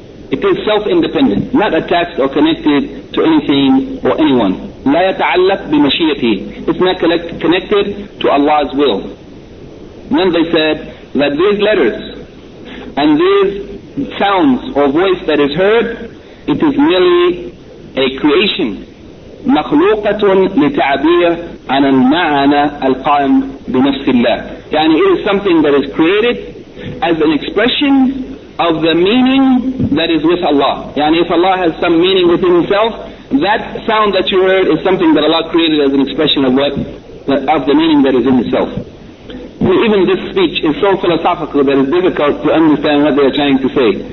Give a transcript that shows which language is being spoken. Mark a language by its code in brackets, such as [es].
[en] It is self-independent, not attached or connected to anything or anyone. [ar] لا يتعلق بمشيئته. [en] It's not connected to Allah's will. And then they said that these letters and these sounds or voice that is heard, it is merely a creation. [ar] مخلوقة لتعبير عن المعنى القائم بنفس الله. [en] يعني it is something that is created as an expression of the meaning that is with Allah. Yani if Allah has some meaning within himself, that sound that you heard is something that Allah created as an expression of what? Of the meaning that is in himself. And even this speech is so philosophical that it's difficult to understand what they are trying to say.